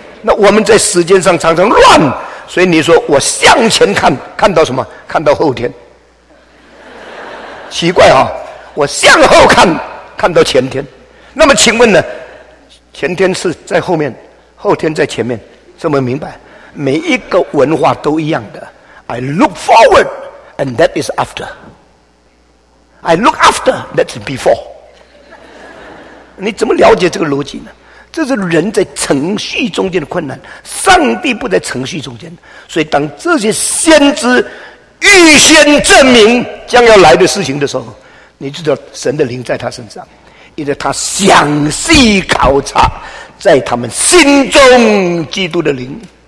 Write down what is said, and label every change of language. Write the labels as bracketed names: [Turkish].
[Chinese] 那我们在时间上常常乱，所以你说我向前看，看到什么？看到后天。奇怪啊，我向后看，看到前天。那么请问呢，前天是在后面，后天在前面，这么明白？每一个文化都一样的。 [English] I look forward and that is after, I look after, that's before. [Chinese] 你怎么了解这个逻辑呢？这是人在程序中间的困难，上帝不在程序中间。所以当这些先知预先证明将要来的事情的时候，你知道神的灵在他身上，因为他详细考察在他们心中基督的灵。